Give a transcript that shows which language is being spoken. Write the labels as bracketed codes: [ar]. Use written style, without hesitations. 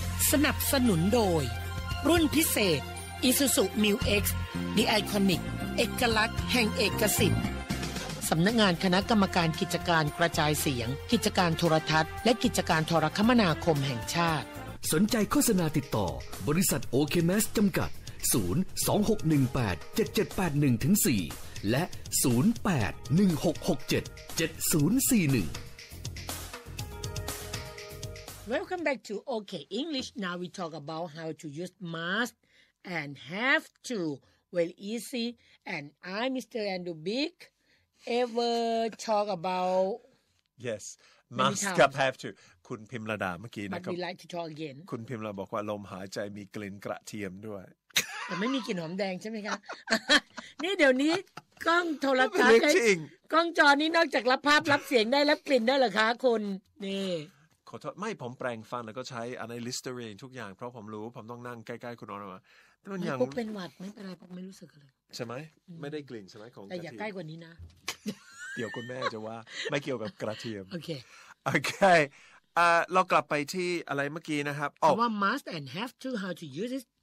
[th] สนับสนุนโดยรุ่นพิเศษ Isuzu Mil X The Iconic เอกลักษณ์แห่งเอกสิทธิ์สำนักงานคณะกรรมการกิจการกระจายเสียงกิจการโทรทัศน์และกิจการโทรคมนาคมแห่งชาติ สนใจโฆษณาติดต่อบริษัท OK Mass จำกัด02618-7781-4และ0816677041 [en] Welcome back to OK English. Now we talk about how to use must and have to. Well, easy. And I, Mr. Andrew Big, ever talk about... [th] Yes, must กับ have to. คุณพิมระดาเมื่อกี้นะครับ [en] But we like to talk again. [th] คุณพิมระบอกว่าลมหายใจมีกลิ่นกระเทียมด้วย แต่ไม่มีกลิ่นหอมแดงใช่ไหมคะนี่เดี๋ยวนี้กล้องโทรทัศน์ไง กล้องจอนี้นอกจากรับภาพรับเสียงได้รับกลิ่นได้เหรอคะคุณนี่ขอโทษไม่ผมแปรงฟันแล้วก็ใช้อะไรลิสเตอรีนทุกอย่างเพราะผมรู้ผมต้องนั่งใกล้ๆคุณออนมา แต่มัน ยังผมเป็นหวัดไม่เป็นไรผมไม่รู้สึกเลย ใช่ไหมไม่ได้กลิ่นใช่ไหมของ แต่อย่าใกล้กว่านี้นะ เดี๋ยวคุณแม่จะว่าไม่เกี่ยวกับกระเทียม โอเค โอเคเรากลับไปที่อะไรเมื่อกี้นะครับ คำว่า [en] must and have to how to use it